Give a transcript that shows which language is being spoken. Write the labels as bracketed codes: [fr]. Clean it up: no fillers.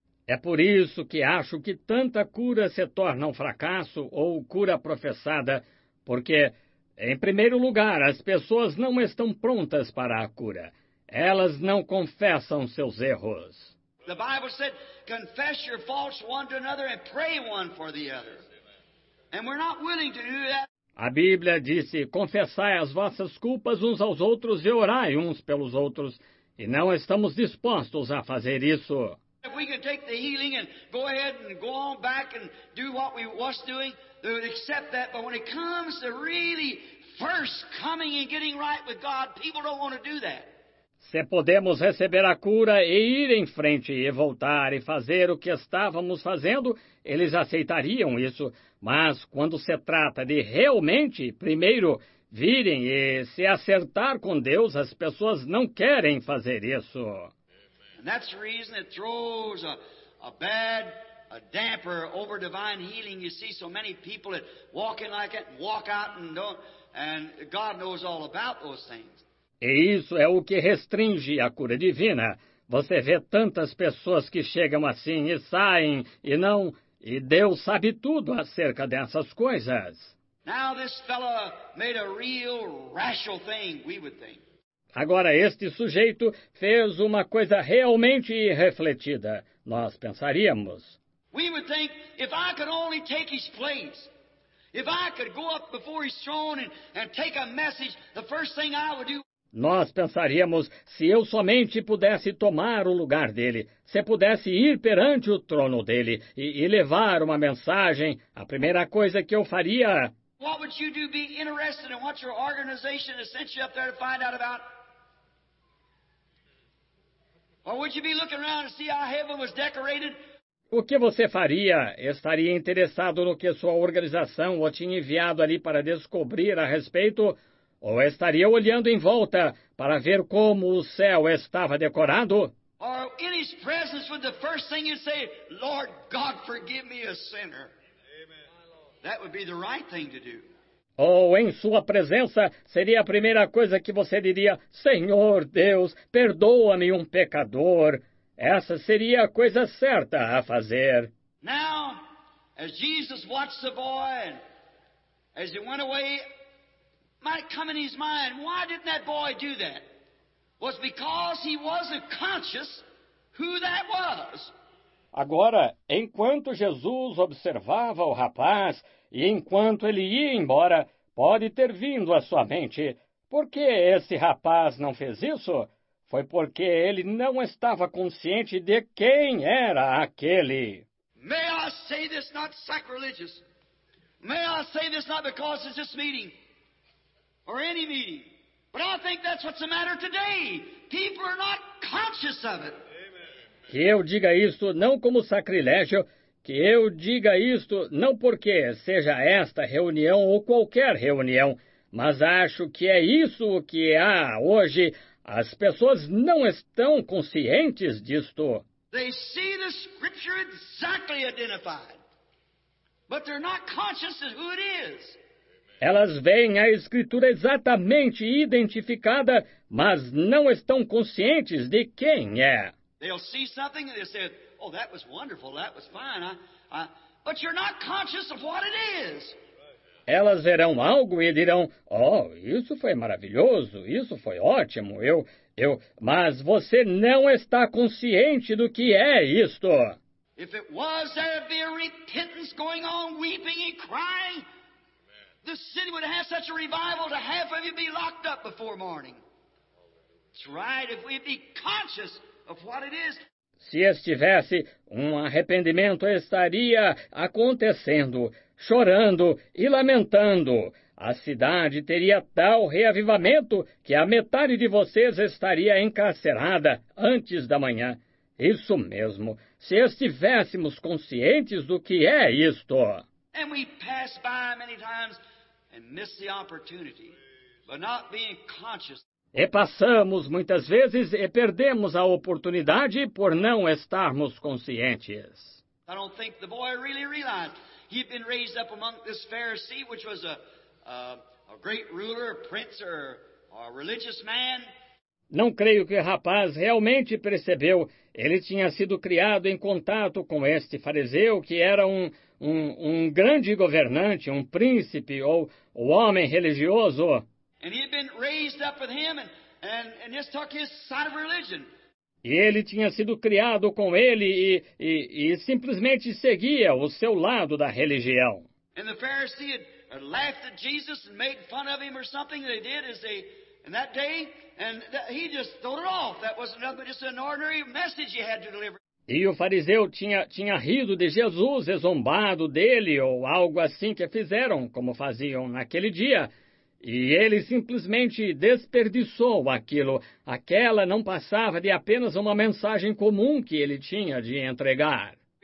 [pt] É por isso que acho que tanta cura se torna um fracasso ou cura professada, porque, em primeiro lugar, as pessoas não estão prontas para a cura. Elas não confessam seus erros. [en] The Bible said, confess your faults one to another and pray one for the other. And we're not willing to do that. [pt] A Bíblia disse, confessai as vossas culpas uns aos outros e orai uns pelos outros. E não estamos dispostos a fazer isso. [en] If we can take the healing and go ahead and go on back and do what we was doing, they would accept that. But when it comes to really first coming and getting right with God, people don't want to do that. [pt] Se podemos receber a cura e ir em frente e voltar e fazer o que estávamos fazendo, eles aceitariam isso. Mas quando se trata de realmente, primeiro, virem e se acertar com Deus, as pessoas não querem fazer isso. [en] And that's the reason it throws a bad damper over divine healing. You see so many people that walk in like it, walk out and don't, and God knows all about those things. [pt] E isso é o que restringe a cura divina. Você vê tantas pessoas que chegam assim e saem, e não, e Deus sabe tudo acerca dessas coisas. [en] Now this fellow made a real rational thing, we would think. [pt] Agora, este sujeito fez uma coisa realmente irrefletida, nós pensaríamos. [en] We would think, if I could only take his place. If I could go up before his throne and take a message, the first thing I would do. [pt] Nós pensaríamos, se eu somente pudesse tomar o lugar dele, se pudesse ir perante o trono dele e levar uma mensagem, a primeira coisa que eu faria... [en] What would you do, be interested in what your organization has sent you up there to find out about? Or would you be looking around to see how heaven was decorated? [pt] O que você faria? Estaria interessado no que sua organização o tinha enviado ali para descobrir a respeito... Ou estaria olhando em volta para ver como o céu estava decorado? [en] Or in his presence would the first thing you say, Lord God, forgive me a sinner. Amen. My Lord. That would be the right thing to do. [pt] Ou em sua presença, seria a primeira coisa que você diria: Senhor Deus, perdoa-me um pecador. Essa seria a coisa certa a fazer. [en] Now, as Jesus watched the boy, and as he went away, might come in his mind, why didn't that boy do that? Was because he wasn't conscious who that was. [pt] Agora, enquanto Jesus observava o rapaz, e enquanto ele ia embora, pode ter vindo à sua mente, por que esse rapaz não fez isso? Foi porque ele não estava consciente de quem era aquele. [en] May I say this not sacrilegious? May I say this not because it's this meeting or any meeting? But I think that's what's the matter today. People are not conscious of it. [pt] Que eu diga isto não como sacrilégio, que eu diga isto não porque seja esta reunião ou qualquer reunião, mas acho que é isso o que há hoje. As pessoas não estão conscientes disto. [en] They see the scripture exactly identified, but they're not conscious of who it is. [pt] Elas veem a escritura exatamente identificada, mas não estão conscientes de quem é. [en] They'll see something and they say, oh, that was wonderful, that was fine. But you're not conscious of what it is. [pt] Elas verão algo e dirão, oh, isso foi maravilhoso, isso foi ótimo, mas você não está consciente do que é isto. [en] If it was, there'd be a repentance going on, weeping and crying. The city would have such a revival to half of you be locked up before morning. That's right, if we'd be conscious of what it is. [pt] Se estivesse, um arrependimento estaria acontecendo, chorando e lamentando. A cidade teria tal reavivamento que a metade de vocês estaria encarcerada antes da manhã. Isso mesmo, se estivéssemos conscientes do que é isto. [en] And we pass by many times and miss the opportunity, but not being conscious. [pt] E passamos muitas vezes e perdemos a oportunidade por não estarmos conscientes. [en] I don't think the boy really realized he'd been raised up among this Pharisee, which was a great ruler, a prince, or a religious man. [pt] Não creio que o rapaz realmente percebeu. Ele tinha sido criado em contato com este fariseu, que era um grande governante, um príncipe ou um homem religioso. [en] And he had been raised up with him and just took his side of religion. [pt] E ele tinha sido criado com ele e simplesmente seguia o seu lado da religião. [en] And the Pharisee had laughed at Jesus and made fun of him or something. They did as they in that day, and he just threw it off. That wasn't nothing but just an ordinary message he had to deliver. [pt] E o fariseu tinha rido de Jesus, zombado dele ou algo assim que fizeram, como faziam naquele dia. E ele simplesmente desperdiçou aquilo. Aquela não passava de apenas uma mensagem comum que ele tinha de entregar.